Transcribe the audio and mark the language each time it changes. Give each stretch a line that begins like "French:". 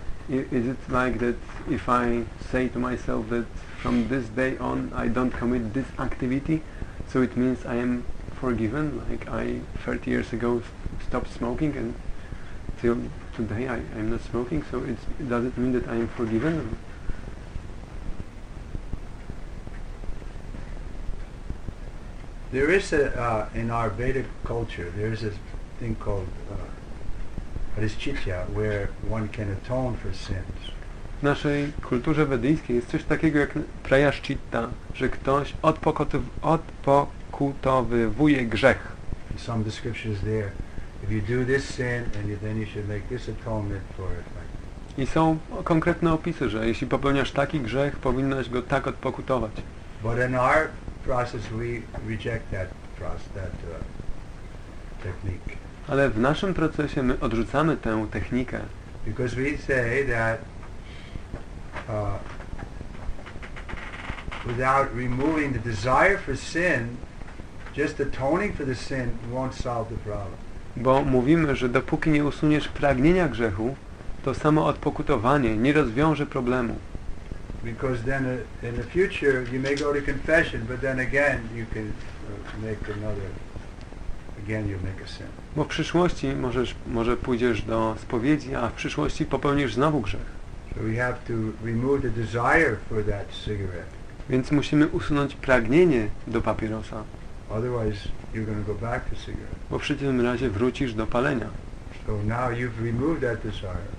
English: Is it like that if I say to myself that from this day on I don't commit this activity, so it means I am forgiven, like I 30 years ago stopped smoking and till today I'm not smoking, so does it mean that I am forgiven? There is a in our Vedic culture there is a thing called paschitya, where one can atone for sins.
Polish: W naszej kulturze wedyjskiej jest coś takiego jak prayaschitta, że ktoś odpokutowywuje grzech.
English: In some descriptions there, if you do this sin and then you should make this atonement for it.
Polish: I są konkretne opisy, że jeśli popełniasz taki grzech, powinnaś go tak odpokutować.
English: But in our process, we reject that process, that technique.
Polish: Ale w naszym procesie my odrzucamy tę technikę.
English: Because we say that without removing the desire for sin, just atoning for the sin won't solve the problem.
Polish: Bo mówimy, że dopóki nie usuniesz pragnienia grzechu, to samo odpokutowanie nie rozwiąże problemu.
English: Because then in the future you may go to confession, but then again you can make another, again you make a sin.
Polish: Bo w przyszłości może pójdziesz do spowiedzi, a w przyszłości popełnisz znowu grzech.
English: So we have to remove the desire for that cigarette.
Polish: Więc musimy usunąć pragnienie do papierosa.
English: Otherwise you're going to go back to cigarette.
Polish: Bo w przeciwnym razie wrócisz do palenia.
English: So now you've removed that desire.